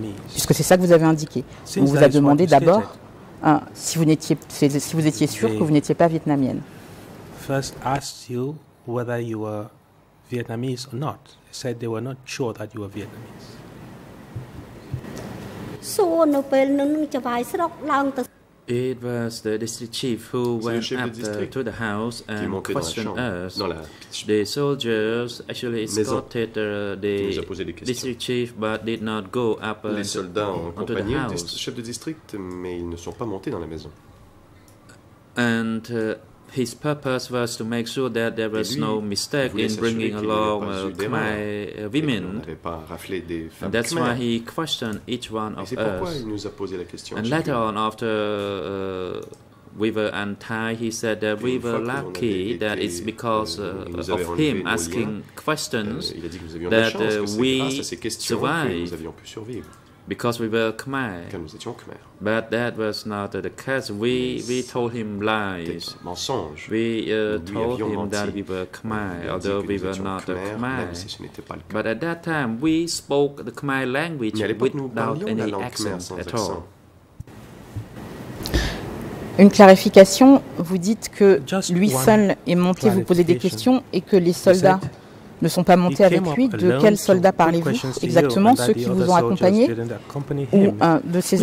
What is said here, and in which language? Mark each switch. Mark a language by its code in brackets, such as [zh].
[fr] Puisque c'est ça que vous avez indiqué. On vous a demandé d'abord si vous étiez sûr que vous n'étiez pas vietnamienne. [en] First asked you whether you were Vietnamese or not. They said they were not sure that you were Vietnamese. It was the district chief who went up to the house and questioned us. The soldiers actually escorted the district chief but did not go up onto the house. [fr] Chef de district, mais ils ne sont pas montés dans la maison. [en] And his purpose was to make sure that there was no mistake in bringing along Khmer women. And that's why he questioned each one of us. And later on, after we were untied, he said that we were lucky that it's because of him asking questions that we survived. Because we were Khmer. But that was not the case. We told him lies. [fr] Mensonge. [en] We told him that we were Khmer, although we were not Khmer. But at that time, we spoke the Khmer language without any accent at all. [fr] Une clarification, vous dites que lui seul est monté vous poser des questions et que les soldats ne sont pas montés avec lui. De quels soldats parlez-vous exactement, ceux qui vous ont accompagné ou un de ses